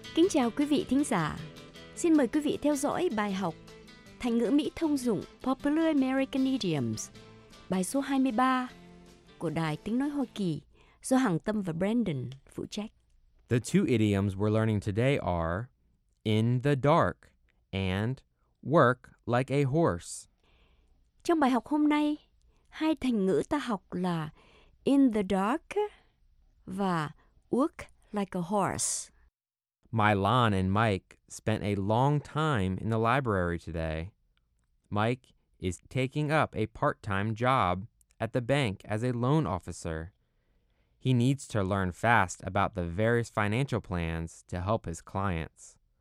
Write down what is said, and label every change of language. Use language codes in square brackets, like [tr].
[vi] Chào quý vị thính giả. Xin mời quý vị theo dõi bài học Thành ngữ Mỹ thông dụng Popular American Idioms, bài số 23 của Đài Tiếng Nói Hoa Kỳ do Hằng Tâm và Brandon phụ trách. [en] The two idioms we're learning today are in the dark and work like a horse. [vi] Trong bài học hôm nay, hai thành ngữ ta học là [en] in the dark [vi] và [en] work like a horse. Mylon and Mike spent a long time in the library today. Mike is taking up a part-time job at the bank as a loan officer. He needs to learn fast about the various financial plans to help his clients.